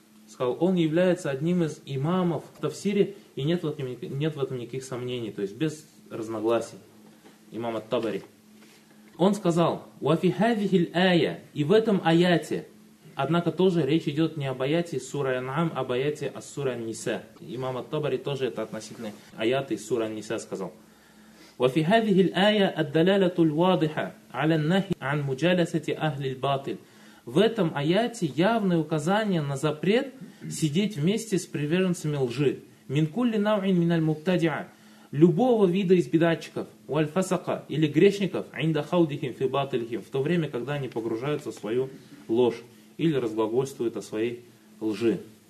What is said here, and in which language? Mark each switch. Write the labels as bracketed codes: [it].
[ru] Сказал, он является одним из имамов в тафсире, и нет в этом никаких сомнений, то есть без разногласий. Имам ат-Табари. Он сказал: [ar] «Ва фи хазихи л-ая», [ru] и в этом аяте. Однако тоже речь идет не об аяте сура Ан-Ам, а об аяте ас-сура Ан-Ниса. Имам ат-Табари тоже это относительно аяты сура Ан-Ниса сказал. [ar] وفي هذه الآية الدلالة الواضحة على النهي عن مجالسة أهل الباطل. [ru] В этом аяте явное указание на запрет сидеть вместе с приверженцами лжи. [ar] من كل نوع من المبتدع, [ru] любого вида из бедачиков, [ar] والفسقه, [ru] или грешников, [ar] عند خوضهم في باطلهم, [ru] в то время, когда они погружаются в свою ложь или разглагольствует о своей лжи.